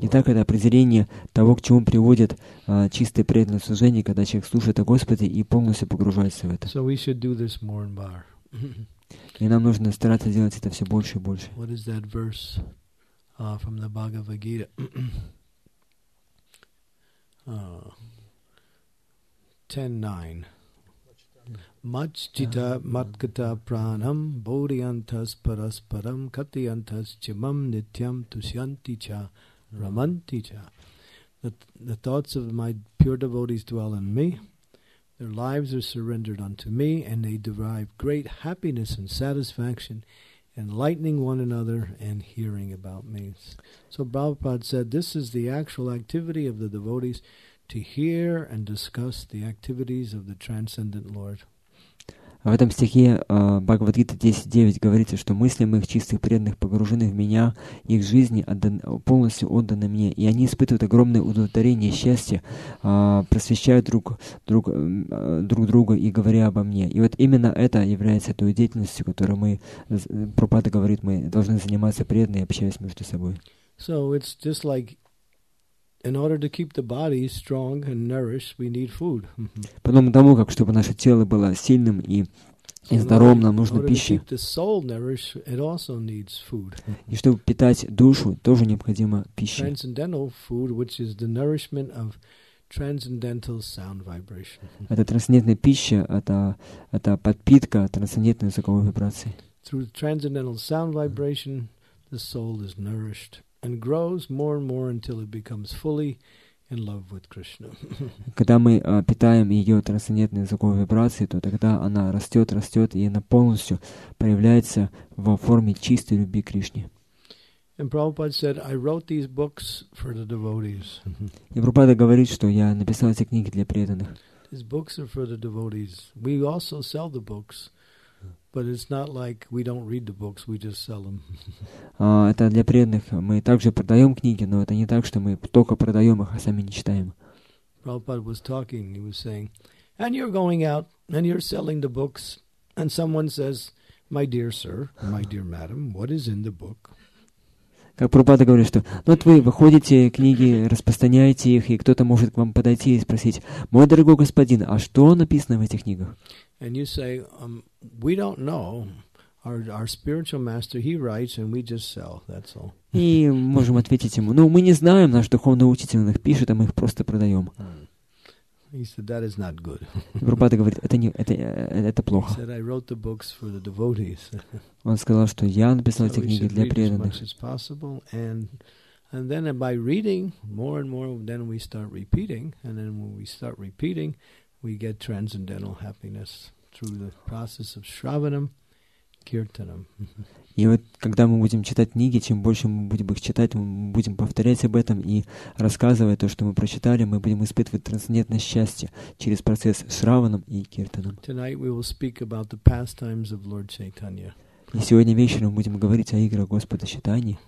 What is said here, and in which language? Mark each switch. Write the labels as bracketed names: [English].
[Russian] Итак, это определение того, к чему приводит чистое преданное служение, когда человек слушает о Господе и полностью погружается в это. [English] So we should do this more and more. [Russian] И нам нужно стараться делать это все больше и больше. [English] What is that verse from the Bhagavad Gita? [Sanskrit] Machchita matkata pranam bodhiyantas parasparam katiyantas chimam nityam tusyanti cha ramanti cha. [English] The thoughts of my pure devotees dwell in me. Their lives are surrendered unto me, and they derive great happiness and satisfaction, enlightening one another and hearing about me. So Prabhupada said, this is the actual activity of the devotees, to hear and discuss the activities of the transcendent Lord. [Russian] В этом стихе Бхагавад-гита 10.9 говорится, что мысли моих чистых преданных погружены в меня, их жизни полностью отданы мне, и они испытывают огромное удовлетворение и счастье, просвещают друг друга и говоря обо мне. И вот именно это является той деятельностью, которой мы, Прабхупада говорит, мы должны заниматься преданные, общаясь между собой. [English] So it's just like in order to keep the body strong and nourished, we need food. [Russian] Потом тому, как чтобы наше тело было сильным и здоровым, нам нужна пища. [English] In order to keep the soul nourished, it also needs food. [Russian] И чтобы питать душу, тоже необходима пища. [English] Transcendental food, which is the nourishment of transcendental sound vibration. [Russian] Это трансцендентная пища, это подпитка трансцендентной звуковой вибрации. [English] Through transcendental sound vibration, the soul is nourished and grows more and more until it becomes fully in love with Krishna. [Russian] Когда мы питаем ее трансцендентной звуковой вибрацией, то тогда она растет, и она полностью проявляется во форме чистой любви к Кришне. [English] And Prabhupada said, I wrote these books for the devotees. [Russian] И Прабхупада говорит, что я написал эти книги для преданных. [English] These books are for the devotees. We also sell the books. But it's not like we don't read the books, we just sell them. [Russian] Это для преданных. Мы также продаем книги, но это не так, что мы только продаем их, а сами не читаем. [English] Prabhupada was talking, he was saying, and you're going out, and you're selling the books, and someone says, my dear sir, my dear madam, what is in the book? [Russian] Как Прабхупада говорит, что вот вы выходите книги, распространяете их, и кто-то может к вам подойти и спросить, мой дорогой господин, а что написано в этих книгах? [English] And you say, we don't know. Our spiritual master, he writes, and we just sell. That's all. [Russian] И можем ответить ему, ну, мы не знаем, наш духовный учитель их пишет, а мы их просто продаем. [English] He said, that is not good. [Russian] Прабхупада говорит, это плохо. [English] He said, I wrote the books for the devotees. [Russian] Он сказал, что я написал эти книги для преданных. [English] As much as possible, and then by reading more and more, then we start repeating, and then when we start repeating, we get transcendental happiness through the process of shravanam, kirtanam. [Russian] И вот когда мы будем читать книги, чем больше мы будем их читать, мы будем повторять об этом и рассказывать то, что мы прочитали, мы будем испытывать трансцендентное счастье через процесс шраванам и киртанам. [English] Tonight we will speak about the pastimes of Lord Chaitanya. [Russian] И сегодня вечером будем говорить о играх Господа Чайтаньи.